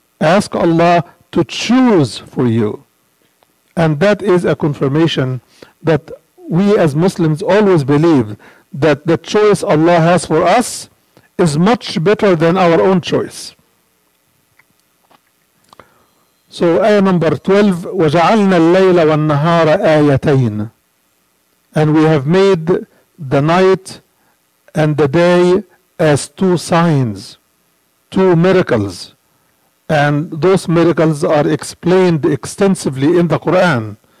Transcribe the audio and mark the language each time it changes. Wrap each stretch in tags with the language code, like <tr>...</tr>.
<en>Ask Allah to choose for you. And that is a confirmation that we as Muslims always believe that the choice Allah has for us is much better than our own choice. So ayah number 12,</en> <ar>وَجَعَلْنَا اللَّيْلَ وَالنَّهَارَ آيَتَيْنَ.</ar> <en>And we have made the night and the day as two signs, two miracles. And those miracles are explained extensively in the Quran.</en>